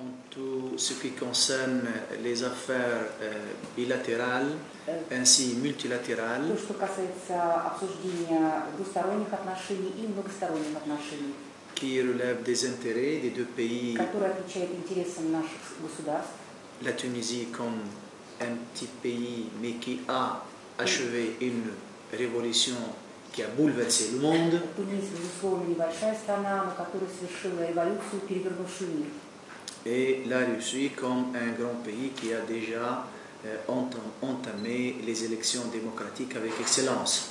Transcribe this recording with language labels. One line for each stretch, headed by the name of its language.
French: tout ce qui concerne les affaires bilatérales ainsi multilatérales.
Russian: То, что касается обсуждения двусторонних отношений и многосторонних отношений.
French: Qui relève des intérêts des deux pays.
Russian: Которые отвечают интересам наших государств.
French: La Tunisie comme un petit pays mais qui a achevé une révolution qui a bouleversé le monde.
Russian: Тунис, безусловно, небольшая страна, но которая совершила революцию, перевернувшую мир.
French: Et la Russie comme un grand pays qui a déjà entamé les élections démocratiques avec excellence.